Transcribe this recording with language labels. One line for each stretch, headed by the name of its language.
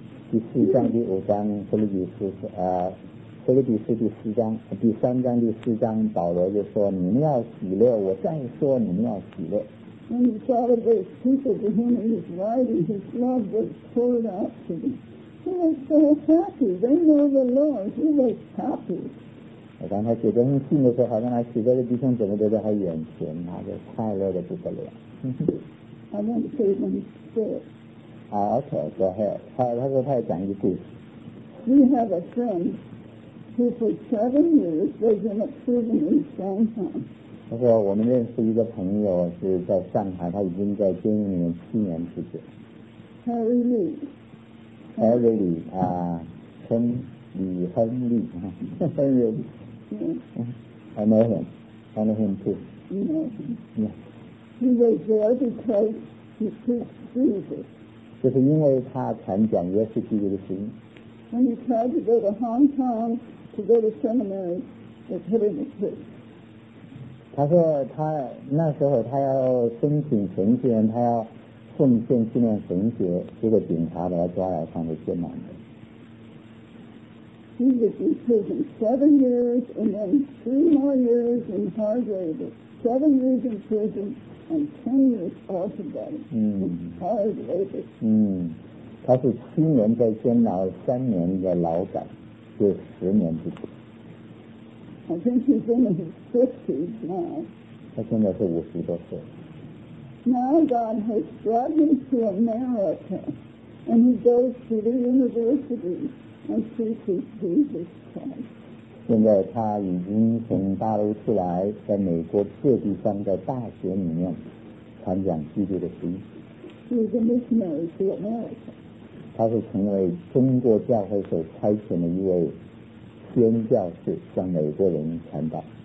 Chinese: 第四章第五章，腓立比书腓立比书第四章，第三章第四章，保罗就说，你们要喜乐，我再说你们要喜乐。
English: When he saw the great people to whom he was writing, his love was poured out to them. He was so happy, they know the Lord, he was happy.
Chinese: 我刚才写这封信的时候，好像还写在弟兄姊妹都在他眼前，他就快乐的不得了。
English: I want to say one story. Okay, go ahead.
Chinese: 他说他要讲一个故事。
English: We have a friend who for 7 years was in a prison in Shanghai.
Chinese: 他说我们认识一个朋友是在上海，他已经在监狱里面7年之久。
English: Harry Lee.
Chinese: Harry Lee, 称李亨利。
English: Harry Lee. Yes. I know him. I know him too. You know him? Yes. He was there because he preached Jesus.
Chinese: 就是因为他传讲耶稣基督的福音。
English: When he tried to go to Hong Kong to go to seminary, it hit him in the face.
Chinese: 他说他那时候他要申请神学，他要奉献训练神学，结果警察把他抓来，上了监牢。
English: He was in prison 7 years and then 3 more years in hard labor. 7 years in prison and 10 years off of that. Hard labor.
Chinese: 他是7年在监牢，3年的劳改，就10年之久。
English: I think he's in his 50s now.
Chinese: 他现在是50多岁。
English: Now God has brought him to America and he goes to the university. And Jesus
Chinese: 现在他已经从大陆出来，在美国各地方的大学里面传讲基督的福音。他是成为中国教会所差遣的一位宣教士，向美国人传道。